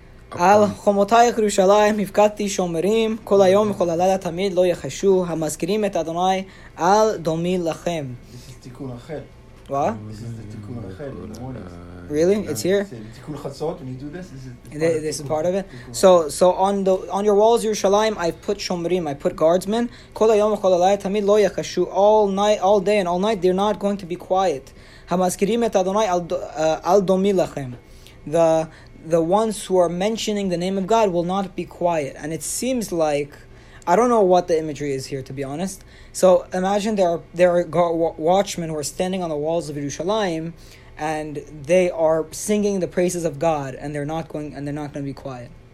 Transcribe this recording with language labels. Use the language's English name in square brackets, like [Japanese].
[Hebrew] על חומותייך ירושלים הפקדתי שומרים כל היום וכל הלילה תמיד לא יחשו המזכירים את אדוני אל דומי לכם. [English] This is תיקון אחר. What? This is the תיקון אחר. Really? It's here? [Hebrew] תיקון חצות. [English] When you do this, this is part of it. So on your walls, Yerushalayim, I put shomerim, I put guardsmen. [Hebrew] כל היום וכל הלילה תמיד לא יחשו. [English] All night, all day and all night, they're not going to be quiet. [Hebrew] המזכירים את אדוני אל דומי לכם. [English] The ones who are mentioning the name of God will not be quiet. And it seems like, I don't know what the imagery is here, to be honest. So imagine there are watchmen who are standing on the walls of Yerushalayim, and they are singing the praises of God, and they're not going to be quiet.